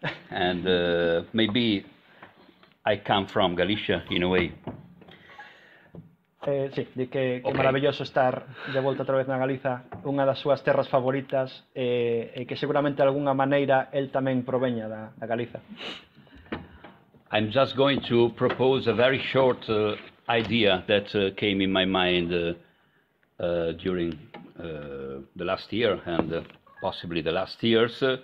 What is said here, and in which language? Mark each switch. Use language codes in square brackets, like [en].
[en] And maybe I come from Galicia in a way. [gl] Sí, de que okay. Que maravilloso estar de volta outra vez na Galiza, unha das súas terras favoritas, e que seguramente de alguna maneira el tamén proveña da Galiza. [en] I'm just going to propose a very short idea that came in my mind during the last year and possibly the last years.